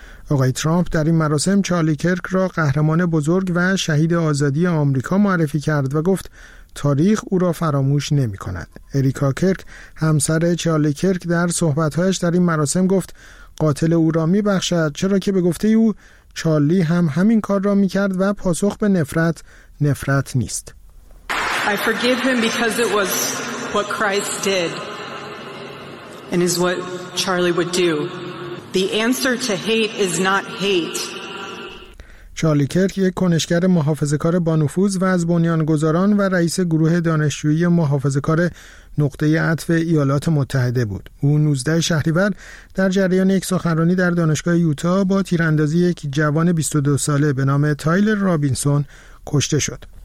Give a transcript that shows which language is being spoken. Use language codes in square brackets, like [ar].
[fa] آقای ترامپ در این مراسم چارلی کرک را قهرمان بزرگ و شهید آزادی آمریکا معرفی کرد و گفت تاریخ او را فراموش نمی‌کند. اریکا کرک همسر چارلی کرک در صحبت‌هایش در این مراسم گفت قاتل او را می‌بخشد، چرا که به گفته او چارلی هم همین کار را می‌کرد و پاسخ به نفرت نفرت نیست. [en] I forgive him because it was what Christ did and is what Charlie would do. The answer to hate is not hate. [fa] چارلی کرک یک کنشگر محافظه‌کار با نفوذ و از بنیانگذاران و رئیس گروه دانشجویی محافظه‌کار نقطه عطف ایالات متحده بود. او 19 شهریور در جریان یک سخنرانی در دانشگاه یوتا با تیراندازی یک جوان 22 ساله به نام تایلر رابینسون کشته شد.